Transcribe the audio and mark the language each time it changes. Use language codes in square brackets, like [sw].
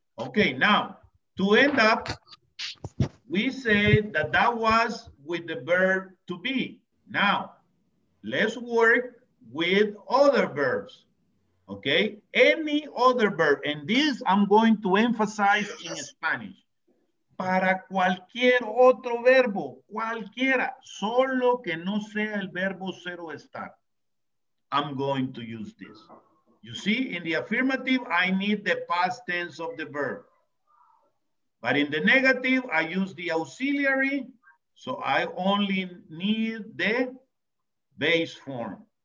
[en] Okay, now, to end up, we say that was with the verb to be. Now, let's work with other verbs, okay? Any other verb, and this I'm going to emphasize in Spanish. [es] Para cualquier otro verbo, cualquiera, solo que no sea el verbo cero estar. [en] I'm going to use this. You see, in the affirmative, I need the past tense of the verb. But in the negative, I use the auxiliary, so I only need the base form.